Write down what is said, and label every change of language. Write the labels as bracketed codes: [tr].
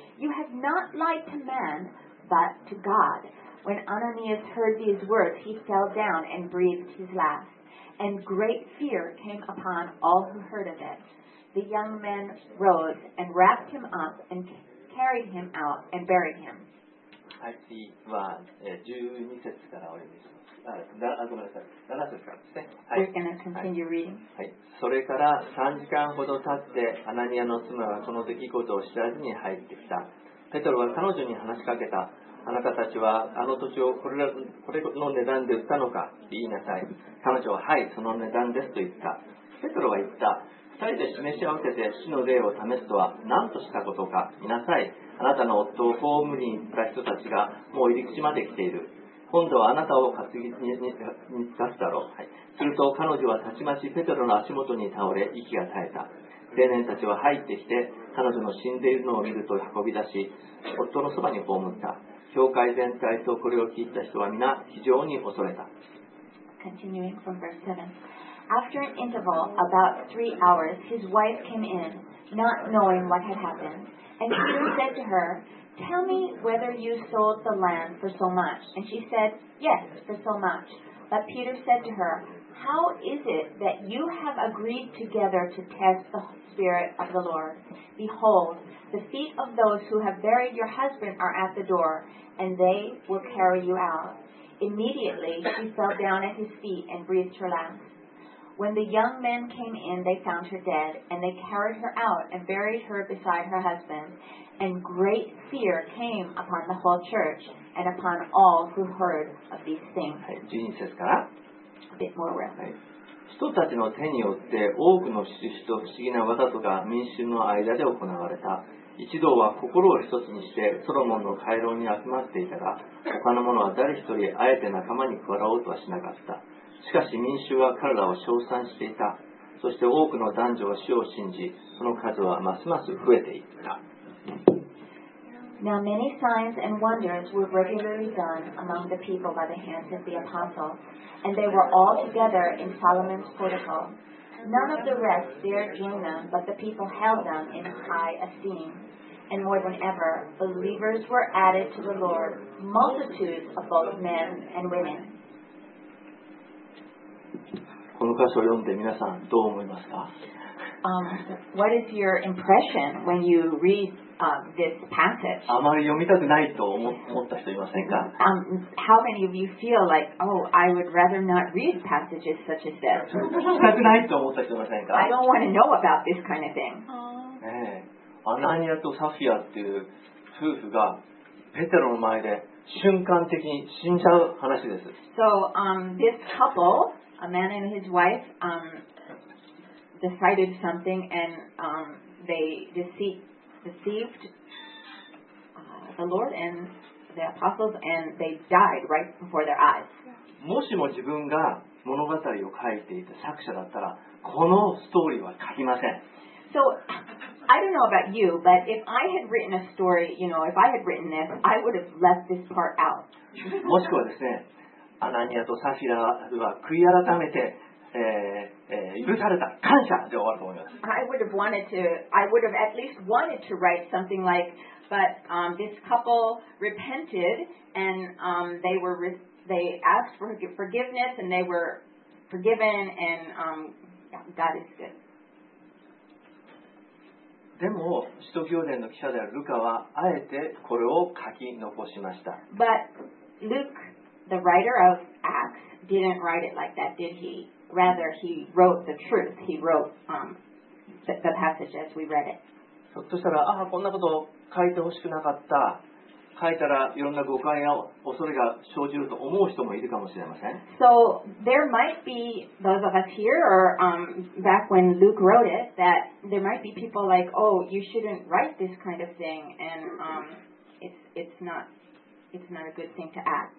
[en] You have not lied to man, but to God. When Ananias heard these words, he fell down and breathed his last. And great fear came upon all who heard of it. The young men rose and wrapped him up and carried him out and buried him. [ja] はい、次は12節からお読みします。ごめんなさい、7節からですね。はい、 [en] We're gonna continue reading. [ja] はい、それから3時間ほど経って、アナニアの妻はこの出来事を知らずに入ってきた。ペトロは彼女に話しかけた。あなたたちはあの土地をこれの値段で売ったのか、言いなさい。彼女は、はい、その値段ですと言った。ペトロは言った。二人で示し合わせて死の霊を試すとは何としたことか、見なさい。あなたの夫を葬りに行った人たちがもう入り口まで来ている。今度はあなたを担ぎに出すだろう、はい。すると彼女はたちまちペトロの足元に倒れ、息が絶えた。青年たちは入ってきて、彼女の死んでいるのを見ると運び出し、夫のそばに葬った。教会全体とこれを聞いた人は皆非常に恐れた。 [en] Continuing from verse 7. After an interval, about 3 hours, his wife came in, not knowing what had happened. And Peter said to her, Tell me whether you sold the land for so much. And she said, Yes, for so much. But Peter said to her, How is it that you have agreed together to test the Spirit of the Lord? Behold, the feet of those who have buried your husband are at the door, and they will carry you out. Immediately she fell down at his feet and breathed her last. When the young men came in, they found her dead, and they carried her out and buried her beside her husband. And great fear came upon the whole church and upon all who heard of these things. [ja] はい、12節から。 [en] A bit more real. [ja] はい。人たちの手によって多くの印と不思議な技とが民衆の間で行われた。一同は心を一つにしてソロモンの回廊に集まっていたが、他の者は誰一人あえて仲間に加わろうとはしなかった。しかし民衆は彼らを称賛していた。そして多くの男女は主を信じ、その数はますます増えていった。 [en] Now many signs and wonders were regularly done among the people by the hands of the apostles, and they were all together in Solomon's portico. None of the rest dared join them, but the people held them in high esteem. And more than ever, believers were added to the Lord, multitudes of both men and women. [ja] この箇所を読んで皆さんどう思いますか? [en] What is your impression when you read this passage? [ja] あまり読みたくないと思った人いませんか? [en] How many of you feel like, oh, I would rather not read passages such as this? [ja] 聞きたくないと思った人いませんか? [en] I don't want to know about this kind of thing. [ja] アナニアとサフィアっていう夫婦がペテロの前で瞬間的に死んじゃう話です。 [en] So, this couple, a man and his wife, decided something and they deceived the Lord and the apostles and they died right before their eyes. [ja] もしも自分が物語を書いていた作者だったら、このストーリーは書きません。 [en] So, I don't know about you, but if I had written a story, you know, if I had written this, I would have left this part out. [ja] もしくはですね、アナニアとサフィラは悔い改めて、許された感謝で終わると思います。 [en] I would have at least wanted to write something like, but this couple repented and they asked for forgiveness and they were forgiven and Yeah, God is good. [ja] でも使徒行伝の記者であるルカはあえてこれを書き残しました。 [en] But Luke, the writer of Acts, didn't write it like that, did he? Rather, he wrote the truth. He wrote the passage as we read it. [ja] ひょっとしたら、ああ、こんなこと書いてほしくなかった。書いたらいろんな誤解や恐れが生じると思う人もいるかもしれません。 [en] So there might be those of us here or back when Luke wrote it that there might be people like, oh, you shouldn't write this kind of thing and it's not a good thing to add.